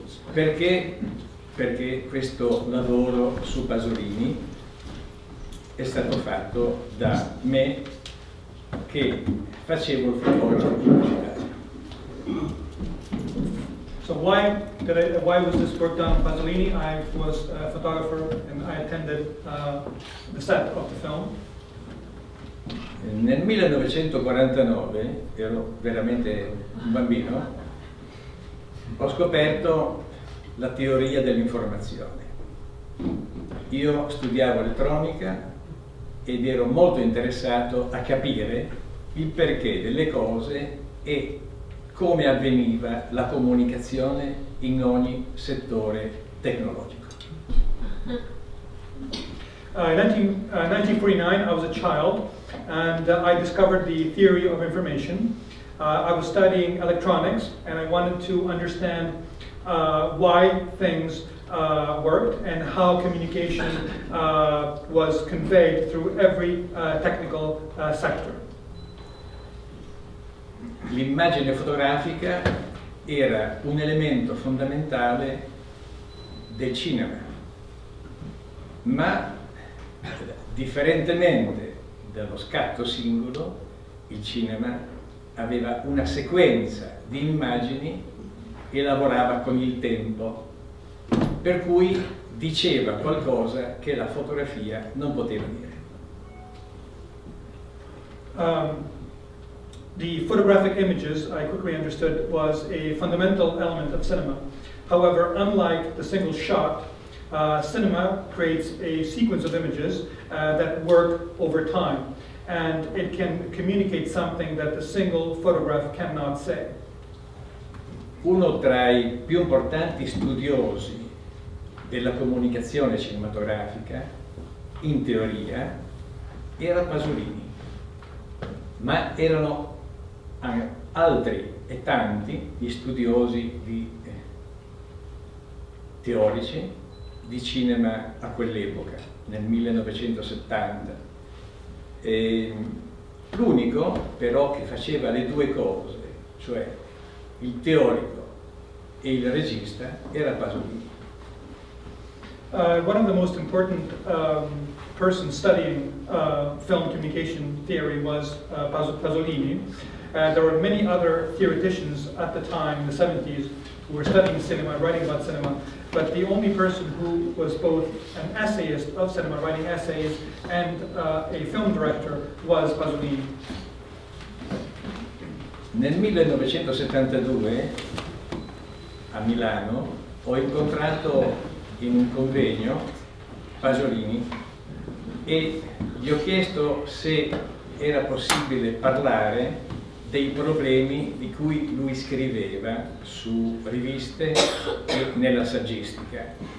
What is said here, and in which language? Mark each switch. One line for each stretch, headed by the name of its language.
Italian: Perché, perché questo lavoro su Pasolini è stato fatto da me che facevo il fotografo pubblicitario.
English: So why did I, why was this work done on Pasolini? I was a photographer and I attended the set of the film.
Italian: Nel 1949, ero veramente un bambino, ho scoperto la teoria dell'informazione. Io studiavo elettronica ed ero molto interessato a capire il perché delle cose e come avveniva la comunicazione in ogni settore tecnologico.
English: In 1949 I was a child and I discovered the theory of information. I was studying electronics and I wanted to understand why things worked and how communication was conveyed through every technical sector.
Italian: L'immagine fotografica era un elemento fondamentale del cinema, ma differentemente dallo scatto singolo, il cinema aveva una sequenza di immagini e lavorava con il tempo, per cui diceva qualcosa che la fotografia non poteva dire.
English: The photographic images, I quickly understood, was a fundamental element of cinema. However, unlike the single shot, cinema creates a sequence of images that work over time, and it can communicate something that the single photograph cannot say.
Italian: Uno tra i più importanti studiosi della comunicazione cinematografica, in teoria, era Pasolini, ma erano altri e tanti gli studiosi di teorici di cinema a quell'epoca, nel 1970. E l'unico però che faceva le due cose, cioè il teorico e il regista, era Pasolini.
English: One of the most important persons studying film communication theory was Pasolini. There were many other theoreticians at the time, in the 70s, who were studying cinema, writing about cinema, but the only person who was both an essayist of cinema, writing essays, and a film director was Pasolini.
Italian: Nel 1972, a Milano, ho incontrato in un convegno Pasolini e gli ho chiesto se era possibile parlare dei problemi di cui lui scriveva su riviste e nella saggistica.